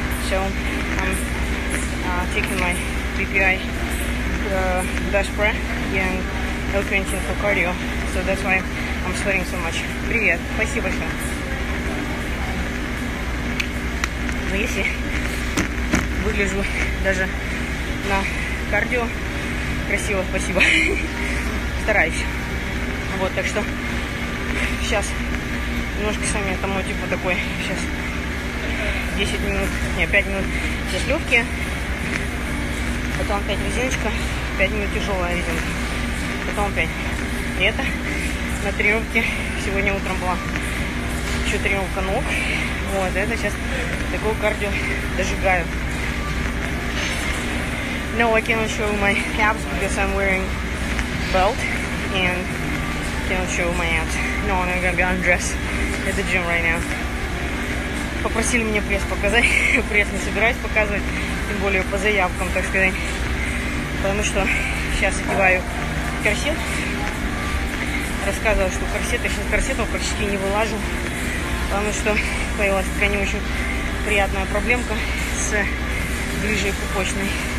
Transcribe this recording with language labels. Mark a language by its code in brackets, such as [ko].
[en] So, I'm taking my BPI Dash Pro and L-Quentin for cardio. So that's why I'm sweating so much. [ru] Привет, спасибо большое. Но если выгляжу даже на кардио красиво, спасибо. Стараюсь. Вот, так что сейчас немножко с вами там, типа, такой сейчас 10 минут, не, 5 минут сейчас легкие. Потом опять резиночка, 5 минут тяжелая резинка. Потом опять лето. На тренировке сегодня утром была еще тренировка ног. Вот, это сейчас такую кардио дожигаю. [en] No, I cannot show my abs because I'm wearing belt and cannot show my abs. No, I'm gonna be undressed at the gym right now. [ru] Попросили меня пресс показать. Пресс не собираюсь показывать, тем более по заявкам, так сказать. Потому что сейчас одеваю корсет. Рассказывала, что корсет, я сейчас корсетов практически не вылажу. Потому что появилась такая не очень приятная проблемка с грыжей пупочной.